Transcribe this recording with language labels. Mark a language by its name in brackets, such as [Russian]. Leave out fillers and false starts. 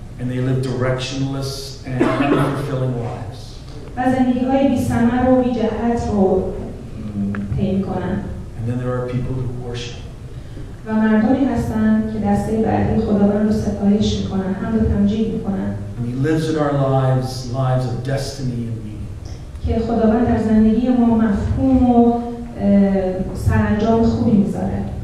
[English] And they live directionless and unfulfilling lives. [Persian] و زندگی‌های بی‌ثمر و بی‌جهت رو طی می‌کنن. [English] And then there are people who worship. [Persian] و مردمی هستن که دسته بعدی خداوند رو ستایش می‌کنن، حمد و تمجید می‌کنن. [English] And he lives in our lives of destiny and meaning. [Persian] که خداوند در زندگی ما مفهوم و سرانجام خوبی میذاره.